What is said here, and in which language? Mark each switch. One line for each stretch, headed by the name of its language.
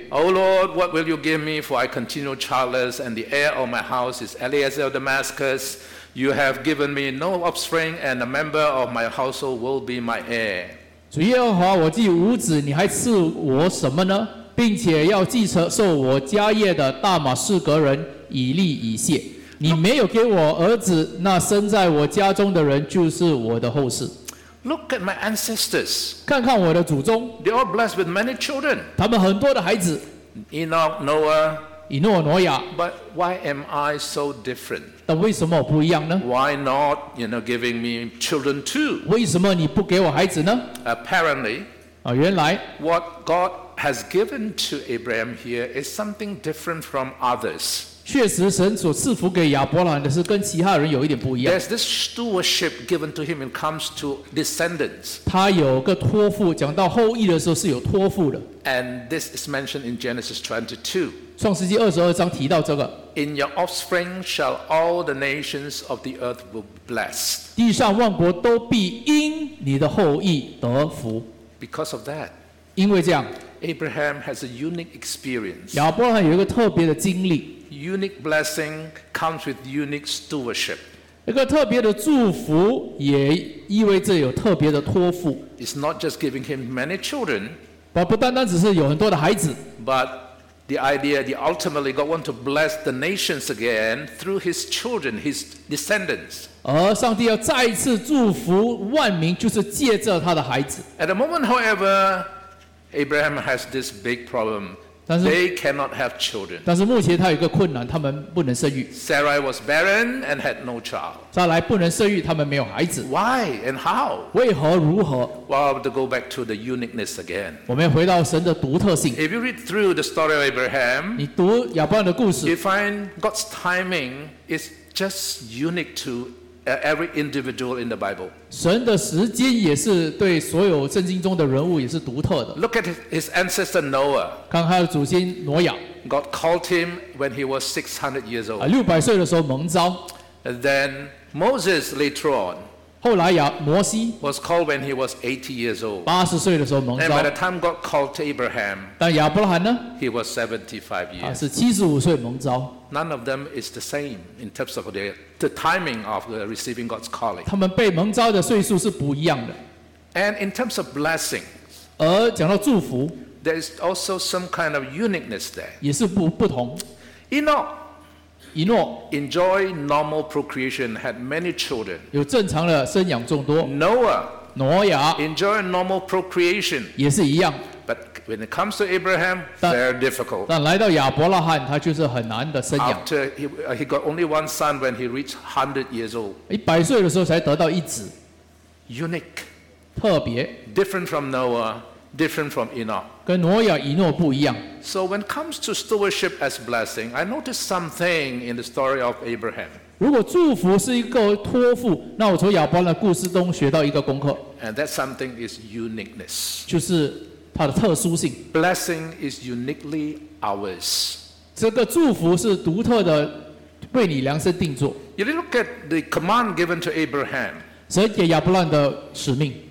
English: Oh Lord, what will you give me for I continue childless and the heir of my house is Eliezer of Damascus? You have given me no offspring and a member of my household will be my heir.
Chinese: 主耶和华，我既无子，你还赐我什么呢？并且要继承受我家业的大马士革人以利以谢。你没有给我儿子，那生在我家中的人就是我的后嗣。
English: Look at my ancestors.
Chinese: 看看我的祖宗。
English: They are blessed with many children.
Chinese: 他们很多的孩子。
English: Enoch, Noah.
Chinese: 以诺、挪亚。
English: But why am I so different?
Chinese: 但为什么我不一样呢
English: ？Why not, you know, giving me children too?
Chinese: 为什么你不给我孩子呢
English: ？Apparently.
Chinese: 啊，原来。
English: What God has given to Abraham here is something different from others.
Chinese: 确实神所赐福给亚伯拉罕的是跟其他人有一点不一样。
English: There's this stewardship given to him when it comes to descendants.
Chinese: 他有个托付，讲到后裔的时候是有托付的。
English: And this is mentioned in Genesis 22.
Chinese: 创世纪二十二章提到这个。
English: In your offspring shall all the nations of the earth be blessed.
Chinese: 地上万国都必因你的后裔得福。
English: Because of that.
Chinese: 因为这样。
English: Abraham has a unique experience.
Chinese: 亚伯拉罕有一个特别的经历。
English: Unique blessing comes with unique stewardship.
Chinese: 一个特别的祝福也意味着有特别的托付。
English: It's not just giving him many children,
Chinese: 不单单只是有很多的孩子。
English: But the idea, the ultimately God wants to bless the nations again through his children, his descendants.
Chinese: 而上帝要再一次祝福万民，就是借着他的孩子。
English: At the moment, however, Abraham has this big problem. They cannot have children.
Chinese: 但是目前他有一个困难，他们不能生育。
English: Sarai was barren and had no child.
Chinese: 再来不能生育，他们没有孩子。
English: Why and how?
Chinese: 为何如何
English: ？Well, to go back to the uniqueness again.
Chinese: 我们回到神的独特性。
English: If you read through the story of Abraham,
Chinese: 你读亚伯拉罕的故事
English: ，you find God's timing is just unique to every individual in the Bible.
Chinese: 神的时间也是对所有圣经中的人物也是独特的。
English: Look at his ancestor Noah.
Chinese: 看他的祖先挪亚。
English: God called him when he was 600 years old.
Chinese: 六百岁的时候蒙召。
English: Then Moses later on.
Chinese: 后来摩西。
English: Was called when he was 80 years old.
Chinese: 八十岁的时候蒙召。
English: And by the time God called Abraham.
Chinese: 但亚伯拉罕呢
English: ？He was 75 years.
Chinese: 是七十五岁蒙召。
English: None of them is the same in terms of the timing of receiving God's calling.
Chinese: 他们被蒙召的岁数是不一样的。
English: And in terms of blessing,
Chinese: 而讲到祝福
English: there is also some kind of uniqueness there.
Chinese: 也是不同。
English: Enoch enjoyed normal procreation, had many children.
Chinese: 有正常的生养众多。
English: Noah
Chinese: 挪亚
English: enjoyed normal procreation,
Chinese: 也是一样。
English: But When it comes to Abraham, very difficult.
Chinese: 但来到亚伯拉罕, 他就是很难的生养。
English: After he got only one son when he reached 100 years old.
Chinese: 100岁的时候才得到一子。
English: Unique.
Chinese: 特别。
English: Different from Noah, different from Enoch.
Chinese: 跟挪亚、以诺不一样。
English: So when it comes to stewardship as blessing, I noticed something in the story of Abraham.
Chinese: 如果祝福是一个托付, 那我从亚伯拉的故事中学到一个功课。
English: And that something is uniqueness.
Chinese: 就是 它的特殊性.
English: Blessing is uniquely ours.
Chinese: 这个祝福是独特的,
English: if you look at the command given to Abraham,
Chinese: 神给亚伯兰的使命,